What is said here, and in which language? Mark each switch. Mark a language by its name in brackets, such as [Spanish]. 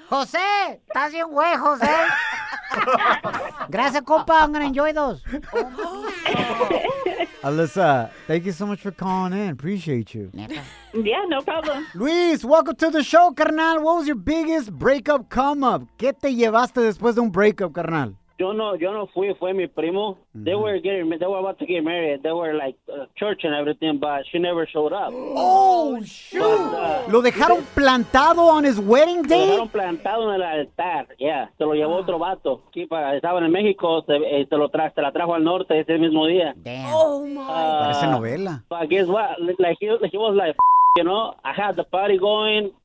[Spanish] Jose! ¿Estás bien, güey, Jose? Gracias, copa. I'm going to enjoy those. [English] Alyssa, thank you so much for calling in. Appreciate you. Yeah, no problem. Luis, welcome to the show, carnal. What was your biggest breakup come up? [Spanish] ¿Qué te llevaste después de un breakup, carnal? Yo no fui, fue mi primo. Mm-hmm. [English] They were about to get married. They were like church and everything, but she never showed up. Oh, shoot. Lo dejaron plantado on his wedding day? [Spanish] Lo dejaron plantado en el altar, yeah. Se lo llevó otro vato. Aquí para, estaba en México, se la trajo al norte ese mismo día. [English] Damn. Oh, my. [Spanish] Parece novela. [English] But guess what? Like, he was like, you know, I had the party going.